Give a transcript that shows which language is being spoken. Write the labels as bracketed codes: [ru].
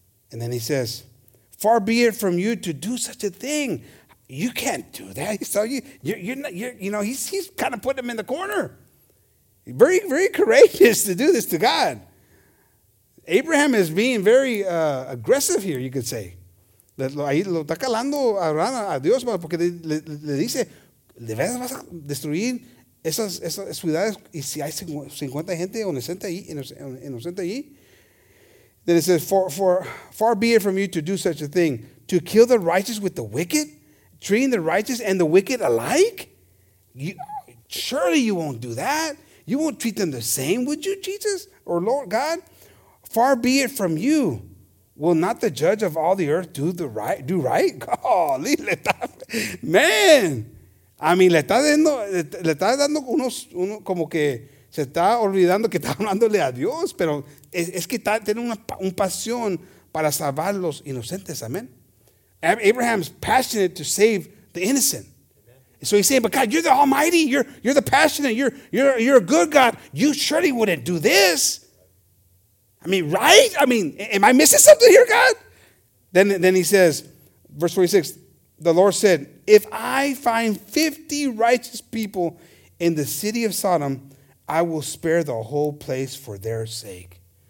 [en] And then he says, far be it from you to do such a thing. You can't do that. He's telling you're not, he's kind of putting him in the corner. Very, very courageous to do this to God. Abraham is being very aggressive here, you could say. [es] Ahí lo está calando a Dios, porque le dice, ¿de verdad vas a destruir esas ciudades? Y si hay 50 gente inocente ahí. [en] Then it says, far be it from you to do such a thing, to kill the righteous with the wicked, treating the righteous and the wicked alike? Surely you won't do that. You won't treat them the same, would you, Jesus or Lord God? Far be it from you. Will not the judge of all the earth do right? Golly, man. [es] I mean, le está dando unos como que se está olvidando que está hablándole a Dios, pero es que está teniendo una pasión para salvar los inocentes, amen. [en] Abraham's passionate to save the innocent. Amen. So he's saying, but God, you're the Almighty, you're the passionate, you're a good God. You surely wouldn't do this. I mean, right? I mean, am I missing something here, God? Then he says, verse 46, the Lord said, if I find 50 righteous people in the city of Sodom, I will spare the whole place for their sake.